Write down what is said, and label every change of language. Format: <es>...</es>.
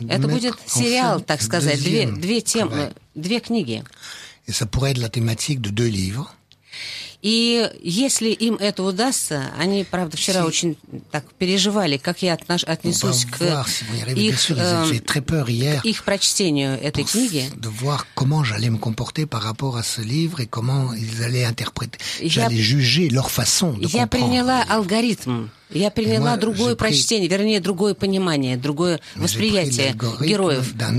<ru>Это будет сериал, так сказать, две темы, две книги.</ru> <fr>И ça pourrait être la thématique de deux livres.</fr> <ru>И если им это удастся, они, правда, вчера очень так переживали, как я отнесусь к их прочтению этой книги.</ru> <fr>De voir comment j'allais me comporter par rapport à ce livre et comment ils allaient interpréter. J'allais juger leur façon de comprendre.</fr> <ru>Я приняла алгоритм. Я приняла другое прочтение, вернее, другое понимание, другое восприятие героев.</ru>